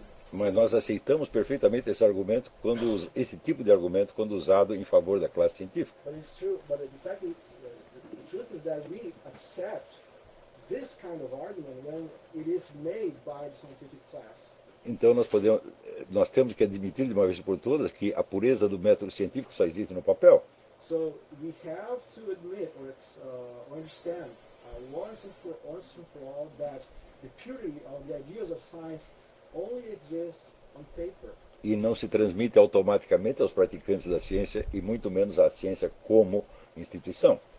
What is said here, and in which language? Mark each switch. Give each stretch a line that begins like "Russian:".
Portuguese: Mas nós aceitamos perfeitamente esse argumento quando esse tipo de argumento quando usado em favor da classe científica.
English: But it's true, but in fact the truth is that we accept this kind of argument when it is made by the scientific class.
Portuguese: Então nós temos que admitir de uma vez por todas que a pureza do método científico só existe no papel.
English: So we have to admit or understand once and for all that the purity of the ideas of science only exists on paper.
Portuguese: E não se transmite automaticamente aos praticantes da ciência e muito menos à ciência como instituição.